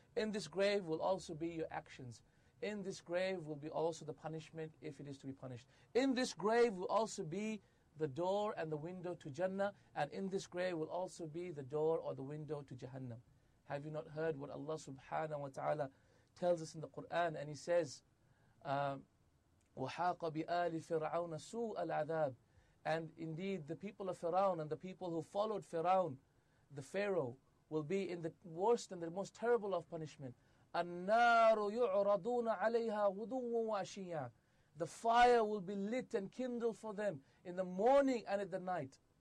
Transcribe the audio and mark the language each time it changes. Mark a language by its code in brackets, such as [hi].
[en] In this grave will also be your actions. In this grave will be also the punishment if it is to be punished. In this grave will also be the door and the window to Jannah. And in this grave will also be the door or the window to Jahannam. Have you not heard what Allah subhanahu wa ta'ala tells us in the Quran? And He says, [ar] وَحَاقَ بِآلِ فِرْعَوْنَ سُوءَ الْعَذَابِ. [en] And indeed, the people of Firaun and the people who followed Firaun, the Pharaoh, will be in the worst and the most terrible of punishment. [ar] النَّارُ يُعْرَضُونَ عَلَيْهَا غُدُوًّا وَأَشِيًّا. [en] The fire will be lit and kindled for them in the morning and at the night.